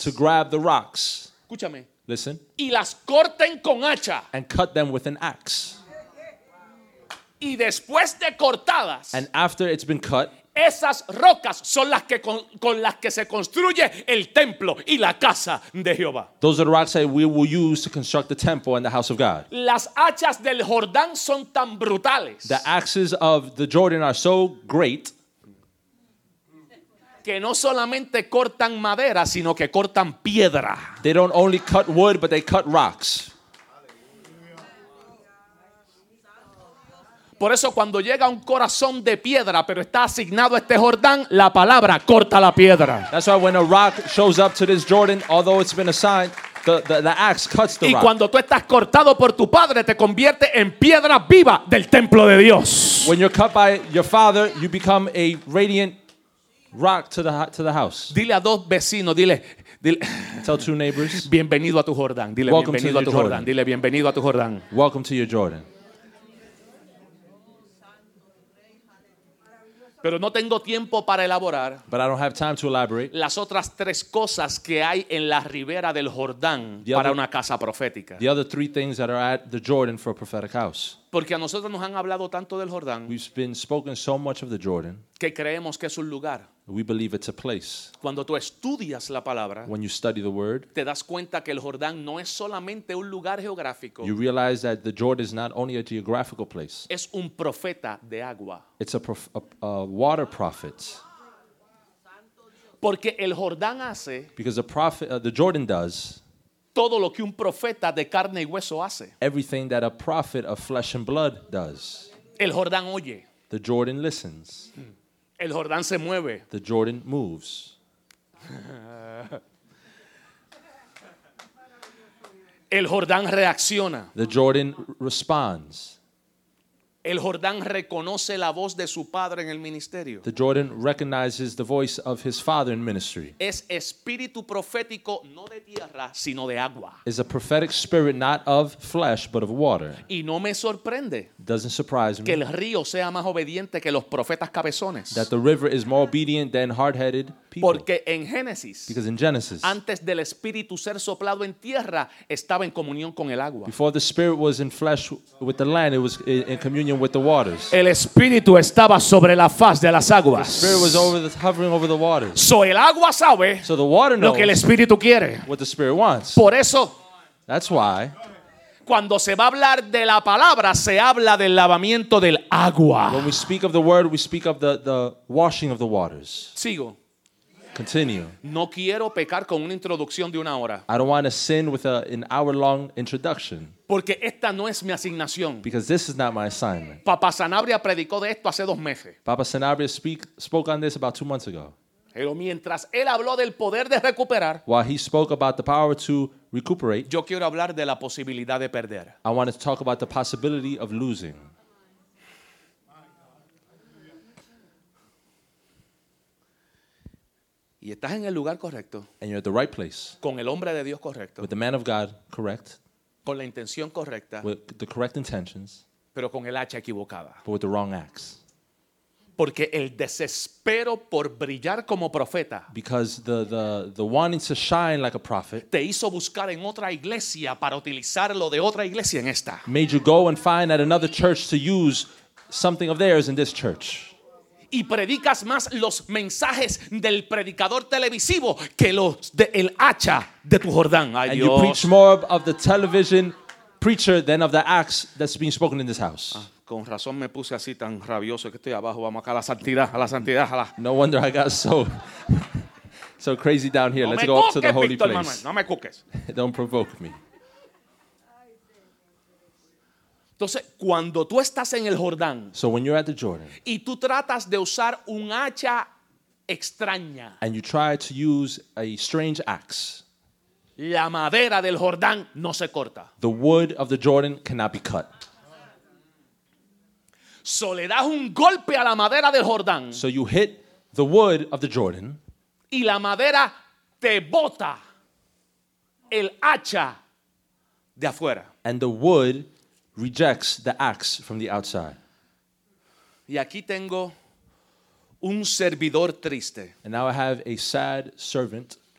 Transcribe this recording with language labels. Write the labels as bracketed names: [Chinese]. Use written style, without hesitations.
[English] To grab the rocks. [Spanish] Escúchame. [English] Listen. [Spanish] Y las corten con hacha. [English] And cut them with an axe. [Spanish] Y después de cortadas. [English] And after it's been cut. [Spanish] Esas rocas son las que con las que se construye el templo y la casa de Jehová. [English] Those are the rocks that we will use to construct the temple and the house of God. [Spanish] Las hachas del Jordán son tan brutales. [English] The axes of the Jordan are so great. [Spanish] Que no solamente cortan madera, sino que cortan piedra. [English] They don't only cut wood, but they cut rocks. [Spanish] Por eso cuando llega un corazón de piedra, pero está asignado a este Jordán, la palabra corta la piedra. [English] That's why when a rock shows up to this Jordan, although it's been assigned, the axe cuts the [Spanish] y [English] rock. [Spanish] Y cuando tú estás cortado por tu padre, te convierte en piedra viva del templo de Dios. [English] When you're cut by your father, you become a radiant rock to the house. [Spanish] Dile a dos vecinos, dile. [English] Tell two neighbors. [Spanish] Bienvenido a tu Jordán. Dile bienvenido a tu Jordán. Dile bienvenido a tu Jordán. [English] Welcome to your Jordan. [Spanish] Pero no tengo tiempo para elaborar. [English] But I don't have time to elaborate. [Spanish] Las otras tres cosas que hay en la ribera del Jordán para una casa profética. [English] The other three things that are at the Jordan for a prophetic house. [Spanish] Porque a nosotros nos han hablado tanto del Jordán. [English] We've been spoken so much of the Jordan. [Spanish] Que creemos que es un lugar. [English] We believe it's a place. [Spanish] Cuando tú estudias la palabra, [English] when you study the word, [Spanish] te das cuenta que el Jordán no es solamente un lugar geográfico. [English] You realize that the Jordan is not only a geographical place. [Spanish] Es un profeta de agua. [English] It's a water prophet. [Spanish] Porque el Jordán hace, [English] because the Jordan does, [Spanish] todo lo que un profeta de carne y hueso hace. [English] Everything that a prophet of flesh and blood does. [Spanish] El Jordán oye. [English] The Jordan listens. [Spanish] El Jordán se mueve. [English] The Jordan moves. [Spanish] El Jordán reacciona. [English] The Jordan responds. [Spanish] El Jordán reconoce la voz de su padre en el ministerio. [English] The Jordan recognizes the voice of his father in ministry. [Spanish] Es espíritu profético no de tierra, sino de agua. [English] Is a prophetic spirit not of flesh but of water. [Spanish] Y no me sorprende. [English] Doesn't surprise me. [Spanish] Que el río sea más obediente que los profetas cabezones. [English] That the river is more obedient than hard-headed people. [Spanish] Porque en Génesis, [English] because in Genesis, [Spanish] antes del espíritu ser soplado en tierra, estaba en comunión con el agua. [English] Before the spirit was in flesh with the land, it was in communion with the waters. [Spanish] El espíritu estaba sobre la faz de las aguas. [English] The spirit was over hovering over the waters. [Spanish] So el agua sabe, [English] so the water knows [Spanish] lo que el espíritu quiere, [English] what the spirit wants. [Spanish] Por eso, [English] that's why, [Spanish] cuando se va a hablar de la palabra, se habla del lavamiento del agua. [English] When we speak of the word, we speak of the washing of the waters. [Spanish] Sigo. [English] Continue. [Spanish] No quiero pecar con una introducción de una hora. [English] I don't want to sin with an hour-long introduction. [Spanish] Porque esta no es mi asignación. [English] Because this is not my assignment. [Spanish] Papa Sanabria predicó de esto hace dos meses. [English] Papa Sanabria spoke on this about 2 months ago. [Spanish] Pero mientras él habló del poder de recuperar, [English] while he spoke about the power to recuperate, [Spanish] yo quiero hablar de la posibilidad de perder. [English] I want to talk about the possibility of losing. [Spanish] Y estás en el lugar correcto. [English] And you're at the right place. [Spanish] Con el hombre de Dios correcto. [English] With the man of God correct. [Spanish] Con la intención correcta. [English] With the correct intentions. [Spanish] Pero con el hacha equivocada. [English] But with the wrong axe. [Spanish] Porque el desespero por brillar como profeta. [English] Because the wanting to shine like a prophet. [Spanish] Te hizo buscar en otra iglesia para utilizarlo de otra iglesia en esta. [English] Made you go and find at another church to use something of theirs in this church. [Spanish] Y predicas más los mensajes del predicador televisivo que los de el hacha de tu Jordán. Ay, [English] and you preach more of the television preacher than of the axe that's being spoken in this house. [Spanish] Con razón me puse así tan rabioso que estoy abajo. Vamos acá a la santidad, a la santidad, a la. [English] No wonder I got so crazy down here. [Spanish] No [English] Let's [Spanish] me [English] go [Spanish] cuques, [English] up to the holy [Spanish] Victor [English] place. [Spanish] Manuel, no me cuques. [English] Don't provoke me. [Spanish] Entonces, cuando tú estás en el Jordán, [English] so when you're at the Jordan, [Spanish] y tú tratas de usar un hacha extraña, [English] and you try to use a strange axe, [Spanish] la madera del Jordán no se corta. [English] The wood of the Jordan cannot be cut. [Spanish] So le das un golpe a la madera del Jordán, [English] so you hit the wood of the Jordan, [Spanish] y la madera te bota el hacha de afuera. [English] And the wood rejects the axe from the outside. [Spanish] Y aquí tengo un servidor triste. [English] And now I have a sad servant.